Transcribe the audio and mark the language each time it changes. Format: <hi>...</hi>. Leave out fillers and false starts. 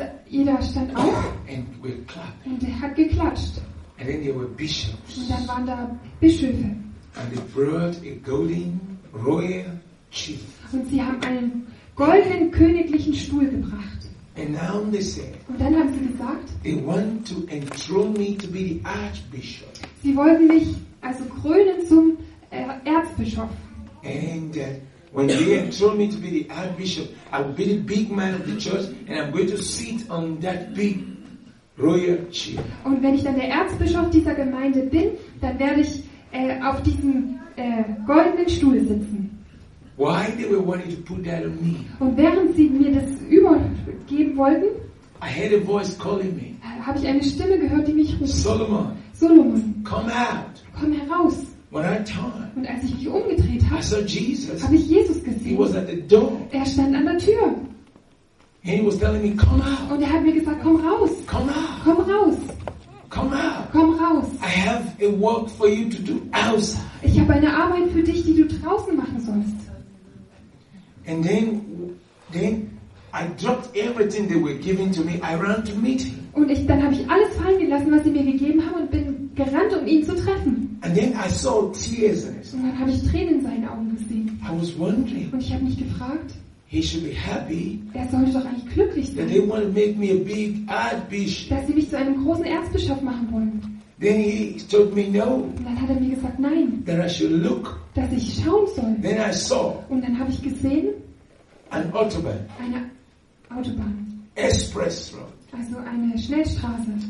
<de>Jeder stand auf</de> <en>and we clapped.</en> <de>Und er hat geklatscht.</de> <en>And then there were bishops.</en> <de>Und dann waren da Bischöfe.</de> <en>And they brought a golden royal chief.</en> <de>Und sie haben einen goldenen königlichen Stuhl gebracht.</de> <en>And now they said,</en> <de>und dann haben sie gesagt,</de> <en>they want to enthrone me to be the archbishop.</en> <de>Sie wollten mich also krönen zum Erzbischof.</de> <en>And When they have told me to be the archbishop, I will be the big man of the church and I'm going to sit on that big royal chair.</en> <de>Und wenn ich dann der Erzbischof dieser Gemeinde bin, dann werde ich auf diesem goldenen Stuhl sitzen.</de> <en>Why they were wanting to put that on me?</en> <de>Und während sie mir das übergeben wollten,</de> <en>I heard a voice calling me.</en> <de>Habe ich eine Stimme gehört, die mich rief.</de> <en>Solomon. Solomon. Come out.</en> <de>Komm heraus.</de> <en>When I turned,</en> <de>und als ich mich umgedreht habe,</de> <en>I saw Jesus.</en> <de>Habe ich Jesus gesehen.</de> <en>He was at the door.</en> <de>Er stand an der Tür.</de> <en>And he was telling me, come out.</en> <de>Und er hat mir gesagt, komm raus.</de> <en>Come out.</en> <de>Komm raus.</de> <en>Come out.</en> <de>Komm raus.</de> <en>I have a work for you to do outside.</en> <de>Ich habe eine Arbeit für dich, die du draußen machen sollst.</de> <en>And then I dropped everything they were giving to me. I ran to meet him.</en> <de>Und dann habe ich alles fallen gelassen, was sie mir gegeben haben, und bin gerannt, um ihn zu treffen.</de> <en>And then I saw tears in his eyes.</en> <de>Und dann habe ich Tränen in seinen Augen gesehen.</de> <en>I was wondering.</en> <de>Und ich habe mich gefragt.</de> <en>He should be happy.</en> <de>Er sollte doch eigentlich glücklich sein.</de> <en>They want to make me a big archbishop.</en> <de>Dass sie mich zu einem großen Erzbischof machen wollen.</de> <en>Then he told me no.</en> <de>Und dann hat er mir gesagt nein.</de> <en>That I should look.</en> <de>Dass ich schauen soll.</de> <en>Then I saw.</en> <de>Und dann habe ich gesehen.</de> <en>An Autobahn.</en> <de>Eine Autobahn.</de> <en>Express Road.</en> <de>Also eine Schnellstraße.</de>